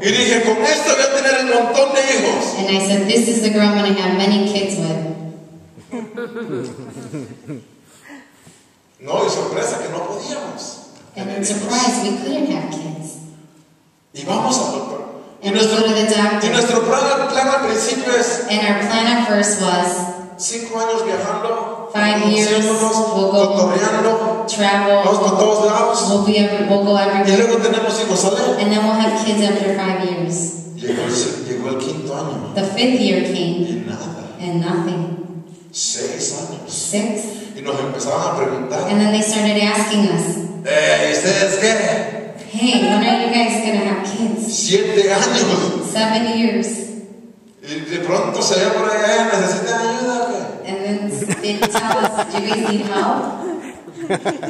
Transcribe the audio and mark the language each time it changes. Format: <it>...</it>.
<es>Y dije, con esto voy a tener un montón de hijos.</es> <en>And I said, this is the girl I'm going to have many kids with.</en> <es>No, y sorpresa que no podíamos.</es> <en>And in surprise, we couldn't have kids.</en> <es>Y vamos al</es> <en>doctor. And we go to the doctor.</en> <es>Y nuestro plan al principio es.</es> <en>And our plan at first was.</en> <es>5 años viajando.</es> <en>5 years. We'll go</en> <es>cotorreando.</es> <en>Travel.</en> <es>Vamos por todos lados.</es> <en>We'll go everywhere.</en> <es>Y luego tenemos hijos, ¿sale?</es> <en>And then we'll have kids after 5 years.</en> <es>Llegó el quinto año.</es> <en>The fifth year came.</en> <es>Y nada.</es> <en>And nothing.</en> <es>6 años.</es> <en>6.</en> <es>Y nos empezaban a preguntar.</es> <en>And then they started asking us.</en> <es>Hey, ¿ustedes qué?</es> <en>Hey, when are you guys gonna have kids?</en> <es>7 años.</es> <en>7 years.</en> <es>Y de pronto se ve por ahí, necesitan ayuda.</es> <en>And then they tell us, do you guys need help?</en>